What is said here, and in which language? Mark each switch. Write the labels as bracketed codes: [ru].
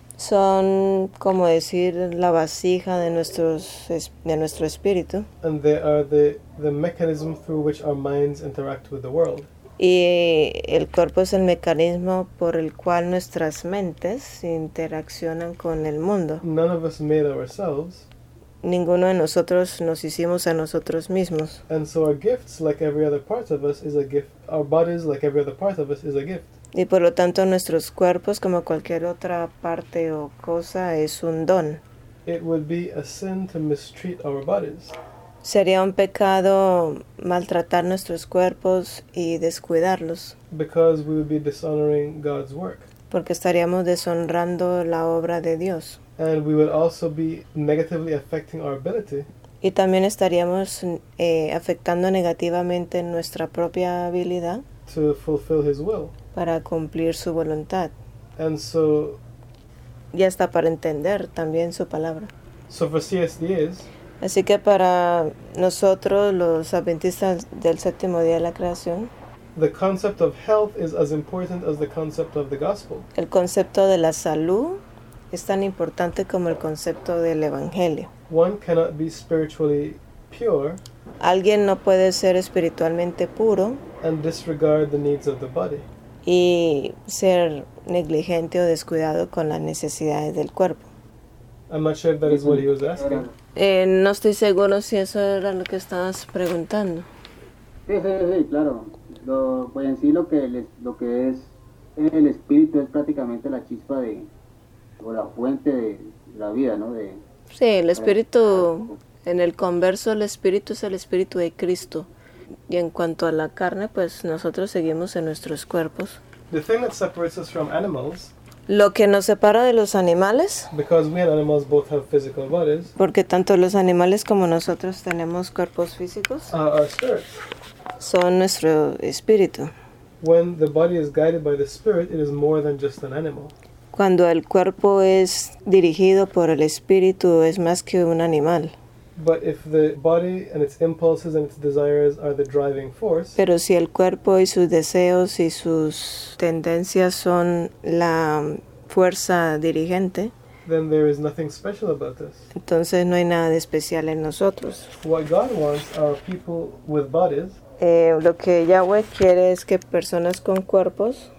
[es] Son, como decir, la vasija de nuestro espíritu. [en] And they are the mechanism through which our minds interact with the world. [es] Y el cuerpo es el mecanismo por el cual nuestras mentes interaccionan con el mundo. [en] None of us made ourselves. [es] Ninguno de nosotros nos hicimos a nosotros mismos. [en] And so our gifts, like every other part of us, is a gift. Our bodies, like every other part of us, is a gift. [es] Y por lo tanto nuestros cuerpos, como cualquier otra parte o cosa, es un don. [en] It would be a sin to mistreat our bodies. [es] Sería un pecado maltratar nuestros cuerpos y descuidarlos. [en] Because we would be dishonoring God's work. [es] Porque estaríamos deshonrando la obra de Dios. [en] And we would also be negatively affecting our ability. [es] Y también estaríamos afectando negativamente nuestra propia habilidad. [en] To fulfill His will. [es] Para cumplir su voluntad. [en] And so. [es] Y hasta para entender también su palabra. [en] So for CSDAs. [es] Así que para nosotros, los adventistas del séptimo día de la creación, [en] the concept of health is as important as the concept of the gospel. [es] El concepto de la salud es tan importante como el concepto del evangelio. [en] One cannot be spiritually pure. [es] Alguien no puede ser espiritualmente puro. [en] And disregard the needs of the body. [es] Y ser negligente o descuidado con las necesidades del cuerpo. [en] I'm not sure if that is what he was asking. [es] No estoy seguro si eso era lo que estabas preguntando. Sí, claro. Lo que es el espíritu es prácticamente la chispa de o la fuente de la vida, ¿no? Sí, el espíritu, en el converso, el espíritu es el espíritu de Cristo. Y en cuanto a la carne, pues nosotros seguimos en nuestros cuerpos. [en] The thing that separates us from animals. [es] Lo que nos separa de los animales. [en] Because we and animals both have physical bodies. [es] Porque tanto los animales como nosotros tenemos cuerpos físicos. [en] Our spirits. [es] Son nuestro espíritu. [en] When the body is guided by the spirit, it is more than just an animal. [es] Cuando el cuerpo es dirigido por el espíritu, es más que un animal. [en] But if the body and its impulses and its desires are the driving force, [es] pero si el cuerpo y sus deseos y sus tendencias son la fuerza dirigente, [en] then there is nothing special about this. [es] Entonces no hay nada de especial en nosotros. [en] What God wants are people with bodies. [es] Lo que Yahweh quiere es que personas con cuerpos,